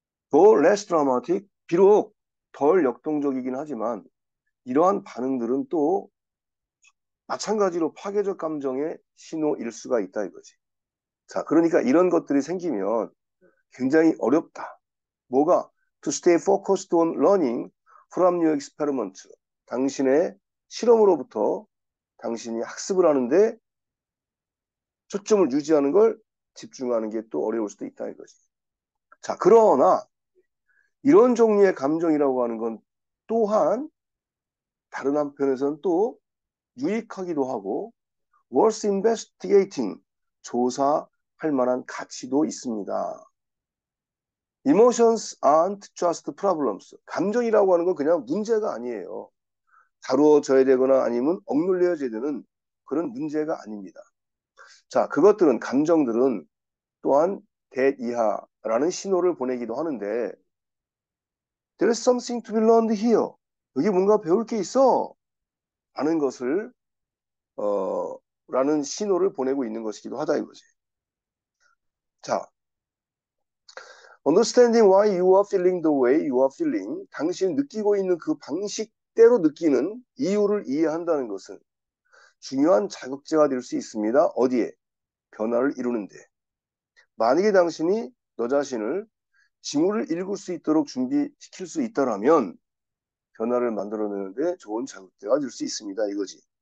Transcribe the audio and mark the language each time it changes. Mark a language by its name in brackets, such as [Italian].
[English] Though less dramatic, [Korean] 비록 덜 역동적이긴 하지만 이러한 반응들은 또 마찬가지로 파괴적 감정의 신호일 수가 있다 이거지. 자, 그러니까 이런 것들이 생기면 굉장히 어렵다. 뭐가? [English] To stay focused on learning from your experiment. [Korean] 당신의 실험으로부터 당신이 학습을 하는데 초점을 유지하는 걸 집중하는 게또 어려울 수도 있다 이거지. 자, 그러나 이런 종류의 감정이라고 하는 건 또한 다른 한편에서는 또 유익하기도 하고 [English] worth investigating [Korean] 조사할 만한 가치도 있습니다. [English] Emotions aren't just problems. [Korean] 감정이라고 하는 건 그냥 문제가 아니에요. 다루어져야 되거나 아니면 억눌려져야 되는 그런 문제가 아닙니다. 자, 그것들은 감정들은 또한 대이하라는 신호를 보내기도 하는데 [English] There's something to be learned here. [Korean] 여기 뭔가 배울 게 있어. 라는 것을 라는 신호를 보내고 있는 것이기도 하다 이거지. [English] 자, Understanding why you are feeling the way you are feeling. [Korean] 당신 느끼고 있는 그 방식대로 느끼는 이유를 이해한다는 것은 중요한 자극제가 될수 있습니다. 어디에? 변화를 이루는데. 만약에 당신이 너 자신을 징후를 읽을 수 있도록 준비시킬 수 있다라면 변화를 만들어내는데 좋은 자극제가 될수 있습니다. 이거지.